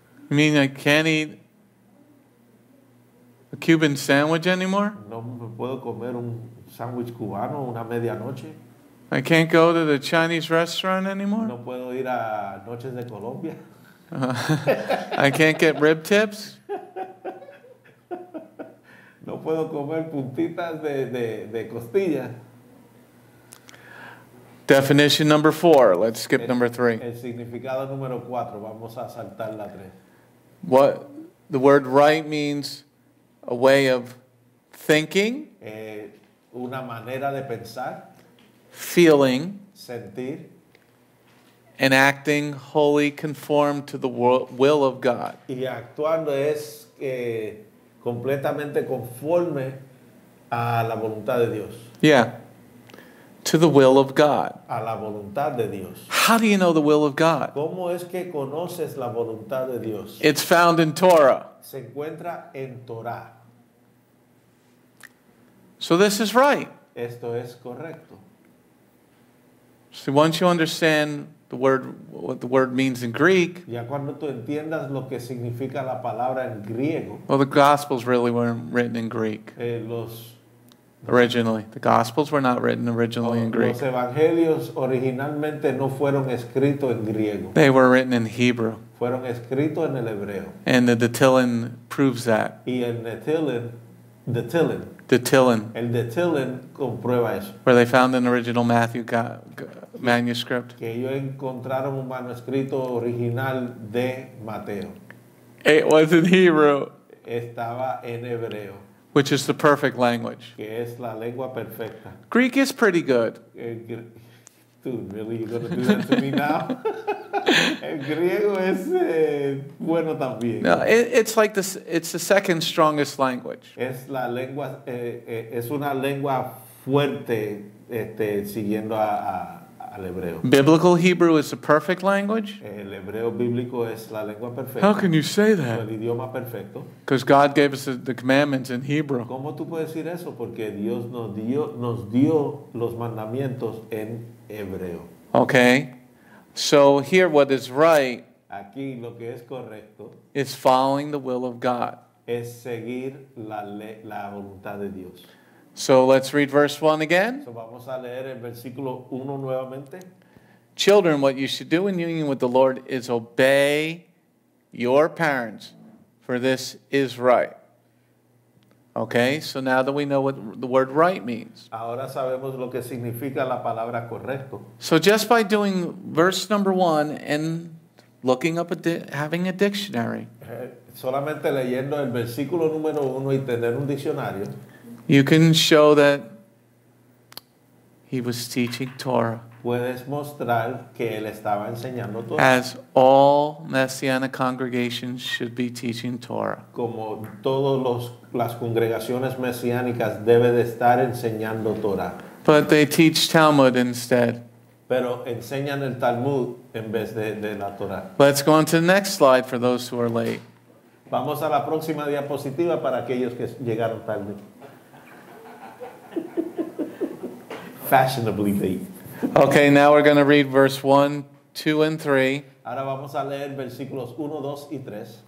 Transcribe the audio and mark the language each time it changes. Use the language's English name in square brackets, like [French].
[English] You mean I can't eat a Cuban sandwich anymore? [Spanish] No me puedo comer un sándwich cubano una medianoche. [English] I can't go to the Chinese restaurant anymore. [Spanish] No puedo ir a Noches de Colombia. [English] I can't get rib tips. [Spanish] No puedo comer puntitas de costilla. [English] Definition number four. Let's skip number three. [Spanish] El significado número cuatro. Vamos a saltar la tres. [English] What the word right means, a way of thinking. [Spanish] Una manera de pensar. [English] Feeling, [Spanish] sentir, [English] and acting wholly conformed to the will of God. [Spanish] Y actuando es completamente conforme a la voluntad de Dios. [English] Yeah, to the will of God. [Spanish] A la voluntad de Dios. [English] How do you know the will of God? [Spanish] ¿Cómo es que conoces la voluntad de Dios? [English] It's found in Torah. [Spanish] Se encuentra en Torah. [English] So this is right. [Spanish] Esto es correcto. [English] So once you understand the word, what the word means in Greek. [Spanish] Ya cuando tú entiendas lo que significa la palabra en griego. [English] Well, the Gospels really weren't written in Greek. Originally, the Gospels were not written originally in Greek. [Spanish] Los evangelios originalmente no fueron escritos en griego. [English] They were written in Hebrew. [Spanish] Fueron escritos en el hebreo. [English] And the Tillin proves that. [Spanish] Y el Tillin, [English] the Tillin. The Tillin. [Spanish] El de Tillin comprueba eso. [English] Where they found an original Matthew manuscript. [Spanish] Que ellos encontraron un manuscrito original de Mateo. [English] It was in Hebrew. [Spanish] Estaba en hebreo. [English] Which is the perfect language. [Spanish] Que es la lengua perfecta. [English] Greek is pretty good. Dude, really, you're going to do that to me now? [Spanish] El griego es bueno también. [English] No, it's like this. It's the second strongest language. [Spanish] Es la lengua, es una lengua fuerte, siguiendo al hebreo. [English] Biblical Hebrew is the perfect language. [Spanish] El hebreo bíblico es la lengua perfecta. [English] How can you say that? [Spanish] El idioma perfecto. [English] Because God gave us the commandments in Hebrew. [Spanish] ¿Cómo tú puedes decir eso? Porque Dios nos dio los mandamientos en hebreo. [English] Okay. So here what is right [Spanish] aquí, lo que es correcto, [English] is following the will of God. [Spanish] Es seguir la voluntad de Dios. [English] So let's read verse 1 again. [Spanish] So vamos a leer el versículo 1 nuevamente. [English] Children, what you should do in union with the Lord is obey your parents, for this is right. Okay, so now that we know what the word right means. [Spanish] Ahora sabemos lo que significa la palabra correcto. [English] So just by doing verse number 1 and looking up having a dictionary. [Spanish] Solamente leyendo el versículo número 1 y tener un diccionario. [English] You can show that he was teaching Torah. [Spanish] Puedes mostrar que él estaba enseñando Torah. [English] As all Messianic congregations should be teaching Torah. [Spanish] Como todos las congregaciones mesiánicas debe de estar enseñando Torah. [English] But they teach Talmud instead. [Spanish] Pero enseñan el Talmud en vez de la Torah. [English] Let's go on to the next slide for those who are late. [Spanish] Vamos a la próxima diapositiva para aquellos que llegaron tarde. [English] fashionably be. Okay, now we're going to read verse 1, 2, and 3. [Spanish] Ahora vamos a leer versículos 1, 2, y 3.